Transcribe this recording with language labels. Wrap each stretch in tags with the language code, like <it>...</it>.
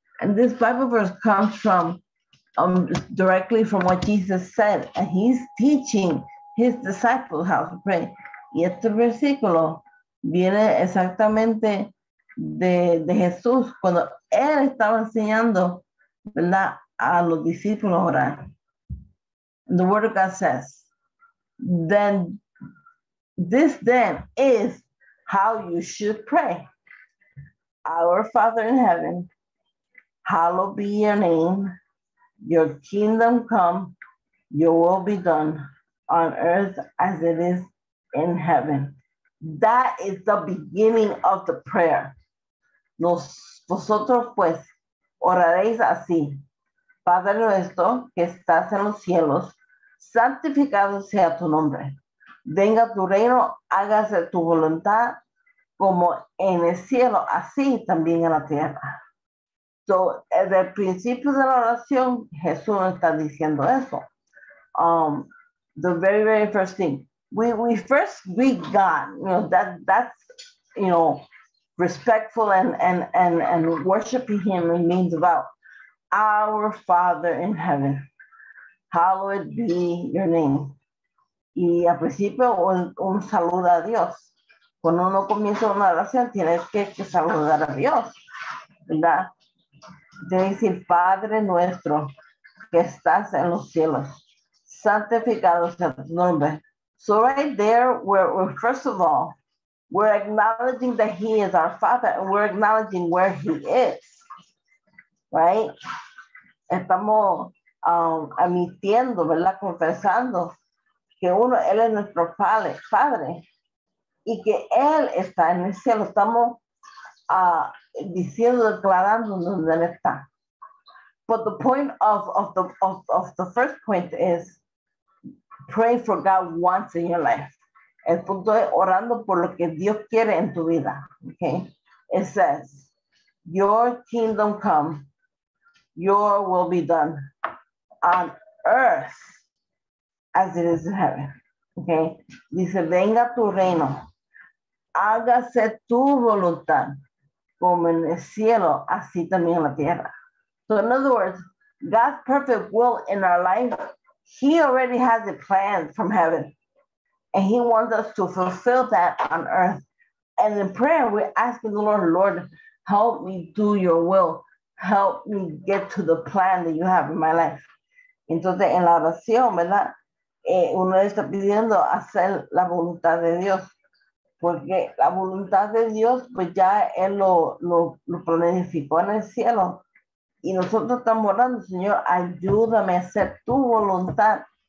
<en>And this Bible verse comes from directly from what Jesus said. And he's teaching his disciples how to pray.</en> <es>Y este versículo viene exactamente de Jesús cuando él estaba enseñando, ¿verdad?, a los discípulos orar.</es> <en>The word of God says, then this then is how you should pray. Our Father in heaven, hallowed be your name, your kingdom come, your will be done on earth as it is in heaven. That is the beginning of the prayer.</en> <es>Vosotros pues oraréis así. Padre nuestro que estás en los cielos, santificado sea tu nombre. Venga tu reino, hágase tu voluntad como en el cielo, así también en la tierra. So, desde el principio de la oración, Jesús está diciendo eso.</es> <en>The very, very first thing. We first greet God. You know, that's, you know, respectful and worshiping him means about our Father in heaven. Hallowed be your name.</en> <es>Y al principio, un saludo a Dios. Cuando uno comienza una oración, tienes que saludar a Dios, ¿verdad? Tienes que decir, Padre nuestro, que estás en los cielos, santificado sea tu nombre.</es> <en>So right there, we're first of all, we're acknowledging that he is our Father, and we're acknowledging where he is, right?</en> <es>Estamos admitiendo, ¿verdad?, confesando que uno, él es nuestro Padre, y que él está en el cielo. Estamos diciendo, declarando donde él está.</es> <en>But the point of the first point is pray for God once in your life.</en> <es>El punto es orando por lo que Dios quiere en tu vida.</es> <en>Okay? It says, your kingdom come, your will be done on earth as it is in heaven. Okay?</en> <es>Dice, venga tu reino, hágase tu voluntad como en el cielo, así también en la tierra.</es> <en>So in other words, God's perfect will in our life, he already has it planned from heaven. And he wants us to fulfill that on earth. And in prayer, we're asking the Lord, Lord, help me do your will. Help me get to the plan that you have in my life.</en> <es>Entonces, en la oración, ¿verdad? Uno está pidiendo hacer la voluntad de Dios. Porque la voluntad de Dios, pues ya él lo planificó en el cielo. Y nosotros estamos orando, Señor, ayúdame a hacer tu voluntad.</es>